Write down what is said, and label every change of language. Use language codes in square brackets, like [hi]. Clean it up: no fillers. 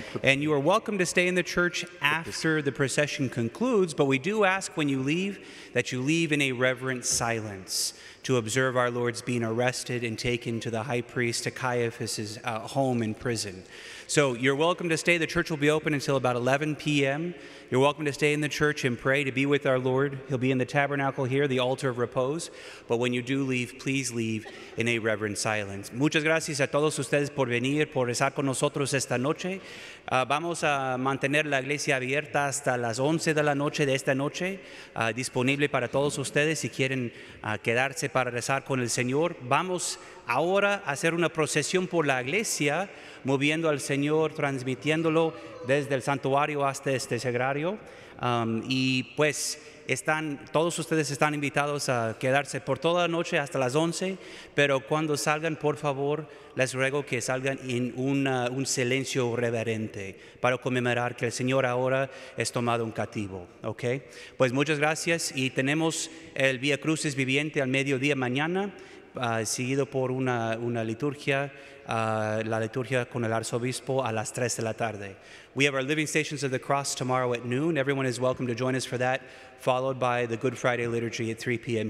[en] And you are welcome to stay in the church after the procession concludes, but we do ask when you leave that you leave in a reverent silence to observe our Lord's being arrested and taken to the high priest, to Caiaphas's home in prison. So you're welcome to stay. The church will be open until about 11 p.m. You're welcome to stay in the church and pray to be with our Lord. He'll be in the tabernacle here, the altar of repose. But when you do leave, please leave in a reverent silence. [es] Muchas gracias a todos ustedes por venir, por estar con nosotros esta noche. Vamos a mantener la iglesia abierta hasta las 11 de la noche de esta noche, disponible para todos ustedes si quieren quedarse para rezar con el Señor. Vamos ahora a hacer una procesión por la iglesia, moviendo al Señor, transmitiéndolo desde el santuario hasta este sagrario. Y pues están, todos ustedes están invitados a quedarse por toda la noche hasta las 11, pero cuando salgan, por favor, les ruego que salgan en un silencio reverente para conmemorar que el Señor ahora es tomado un cautivo. ¿Okay? Pues muchas gracias y tenemos el Vía Crucis viviente al mediodía mañana, seguido por una liturgia, la liturgia con el arzobispo a las 3 de la tarde. [en] We have our Living Stations of the Cross tomorrow at noon. Everyone is welcome to join us for that, followed by the Good Friday liturgy at 3 p.m.